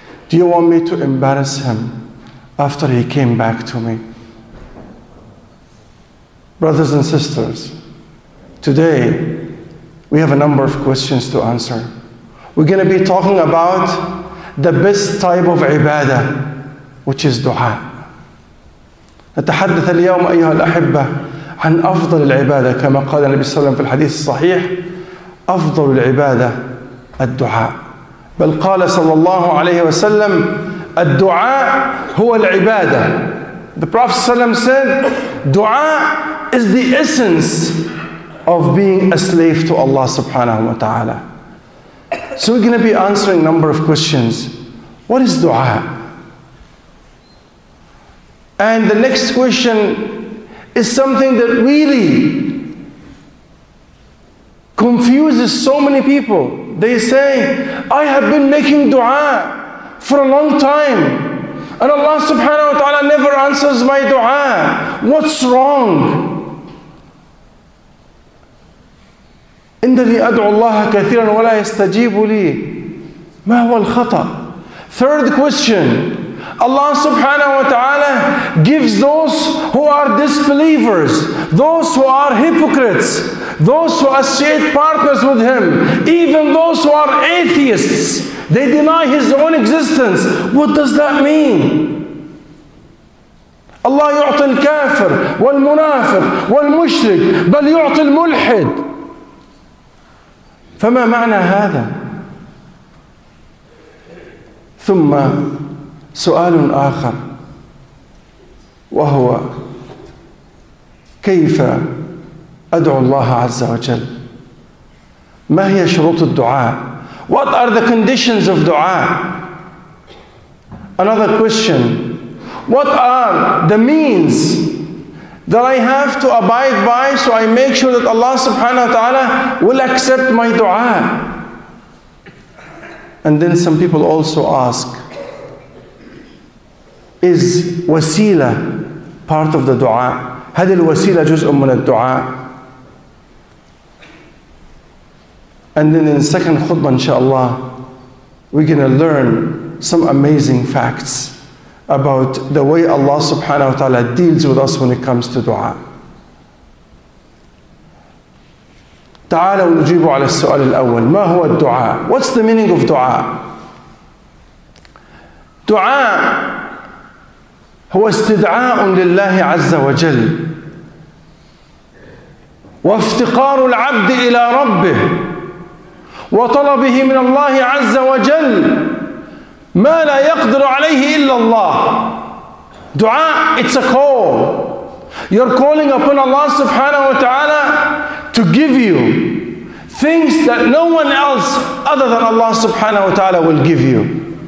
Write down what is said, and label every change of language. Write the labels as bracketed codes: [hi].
[en] Do you want me to embarrass him after he came back to me?" Brothers and sisters, today we have a number of questions to answer. We're going to be talking about the best type of ibadah, which is dua. [ar] نتحدث اليوم أيها الأحبة عن أفضل العبادة كما قال النبي صلى الله عليه وسلم في الحديث الصحيح أفضل العبادة الدعاء. بل قال صلى الله عليه وسلم الدعاء هو العبادة. [en] The Prophet [ar] صلى الله عليه وسلم [en] said dua is the essence of being a slave to Allah subhanahu wa ta'ala. So we're going to be answering a number of questions. What is dua? And the next question is something that really confuses so many people. They say, I have been making dua for a long time, and Allah subhanahu wa ta'ala never answers my dua. What's wrong? [ar] إِنَّنِي أَدْعُوا اللَّهَ كَثِيرًا وَلَا يَسْتَجِيبُ لِي مَا هُوَ الْخَطَأ. [en] Third question. Allah subhanahu wa ta'ala gives those who are disbelievers, those who are hypocrites, those who associate partners with Him, even those who are atheists, they deny His own existence. What does that mean? [ar] Allah يُعْطِي الْكَافِرْ وَالْمُنَافِرْ وَالْمُشْرِكْ بَلْ يُعْطِي الْمُلْحِدْ. فما معنى هذا؟ ثم سؤال آخر وهو كيف أدعو الله عز وجل؟ ما هي شروط الدعاء؟ [en] What are the conditions of dua? Another question. What are the means that I have to abide by so I make sure that Allah subhanahu wa ta'ala will accept my dua? And then some people also ask, is wasila part of the dua? [ar] هذه الوسيلة جزء من الدعاء. [en] And then in the second khutbah inshaAllah, we're going to learn some amazing facts about the way Allah subhanahu wa ta'ala deals with us when it comes to dua. [ar] تعالوا نجيبوا على السؤال الأول. ما هو الدعاء? [en] What's the meaning of dua? [ar] Dua هو استدعاء لله عز وجل وافتقار العبد إلى ربه وطلبه من الله عز وجل ما لا يقدر عليه إلا الله. [en] دعاء, it's a call. You're calling upon Allah subhanahu wa ta'ala to give you things that no one else other than Allah subhanahu wa ta'ala will give you.